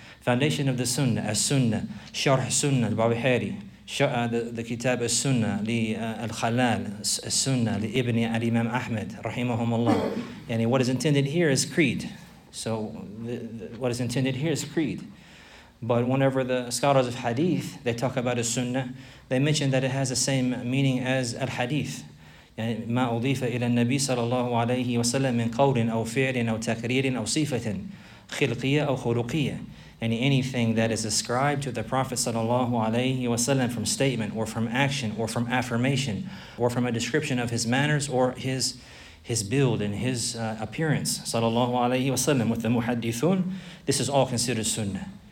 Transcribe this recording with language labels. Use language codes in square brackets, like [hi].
[en] Foundation of the Sunnah, As-Sunnah, Sharh Sunnah, Al-Bawihari, the Kitab As-Sunnah, Al-Khalal, As-Sunnah, Ibn al-Imam Ahmed, Rahimahumullah. And what is intended here is creed. So what is intended here is creed. But whenever the scholars of Hadith, they talk about As-Sunnah, they mention that it has the same meaning as Al-Hadith. [ar] ما أضيف إلى النبي صلى الله عليه وسلم من قول أو فعل أو تكرير أو صفة خلقية أو خلقية. [en] And anything that is ascribed to the Prophet sallallahu alaihi wasallam from statement or from action or from affirmation or from a description of his manners or his build and his appearance sallallahu alaihi wasallam with the muhaddithun, this is all considered sunnah.